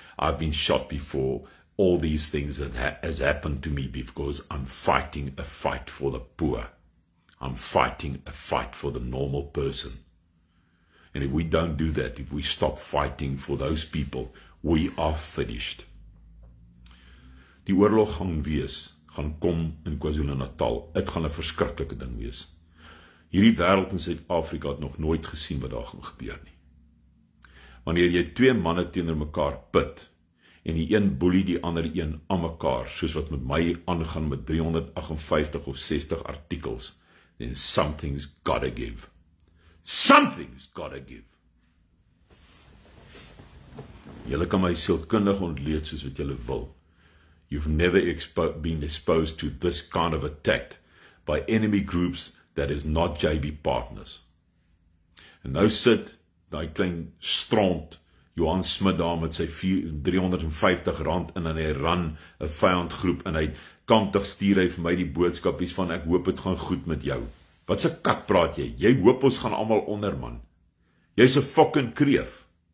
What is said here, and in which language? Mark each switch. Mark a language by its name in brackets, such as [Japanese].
[English] I've been shot before. All these things that has happened to me because I'm fighting a fight for the poor. I'm fighting a fight for the normal person. And if we don't do that, if we stop fighting for those people, we are finished. [Afrikaans] Die oorlog gaan wees. Gaan kom in KwaZulu-Natal. Dit gaan 'n verskriklike ding wees. Hierdie wêreld in Suid-Afrika het nog nooit gesien wat daar gaan gebeur nie. Wanneer jy twee manne teenoor mekaar pit en die een boelie die ander een aan mekaar, soos wat met my aangaan met 358 of 60 artikels, [English] then something's gotta give. Something's gotta give. [Afrikaans] Julle kan my sielkundig ontleed soos wat julle wil. [English] You've never been exposed to this kind of attack by enemy groups that is not JB partners. [Afrikaans] En nou sit daai klein stront Johan Smit daar met sy R350 en dan hy run 'n vyandgroep en hy kantig stuur hy vir my die boodskapies van ek hoop dit gaan goed met jou. Wat se kak praat jy? Jy hoop ons gaan almal onder, man. Jy's 'n fucking kreef.